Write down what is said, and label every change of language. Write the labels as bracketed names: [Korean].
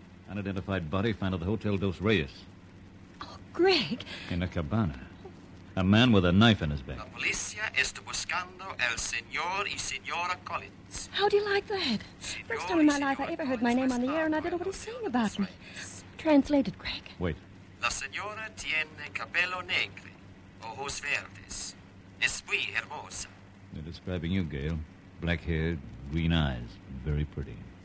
[English] Unidentified body found at the Hotel dos Reyes. Oh, Greg. In a cabana. A man with a knife in his back. [Spanish] La policía está buscando el señor y señora Collins. [English] How do you like that? First time in my life I ever heard my name on the air and I didn't know what he was saying about me. Translated, Greg. Wait. [Spanish] La señora tiene cabello negro, ojos verdes. Es muy hermosa. [English] They're describing you, Gail. Black hair, green eyes. Very pretty.